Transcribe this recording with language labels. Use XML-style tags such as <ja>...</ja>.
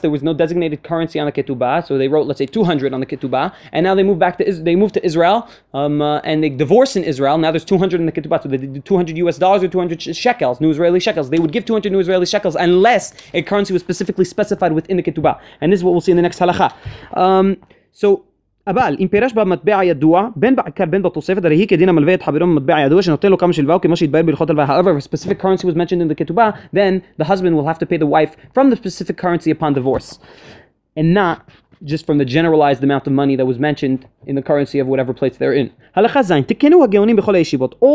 <en>there was no designated currency on the ketubah, so they wrote, let's say, 200 on the ketubah, and now they move back to Israel, and they divorce in Israel. Now there's 200 in the ketubah, so they did 200 U.S. dollars or 200 shekels, new Israeli shekels. They would give 200 new Israeli shekels unless a currency was specifically specified within the ketubah, and this is what we'll see in the next halacha.</en> <he>אבל אם פירש במטבע ידוע, בין בעיקר בין בתוספת, הרי היא כדין המלווה את חברו במטבע ידוע, שנותן לו כמה שלווה, כמו שהתבהר בלכות הלווה.</he> <en>However, if a specific currency was mentioned in the ketubah, then the husband will have to pay the wife from the specific currency upon divorce, and not just from the generalized amount of money that was mentioned in the currency of whatever place they're in.</en> <he>הלכה זין, תקנו הגאונים בכל הישיבות.</he>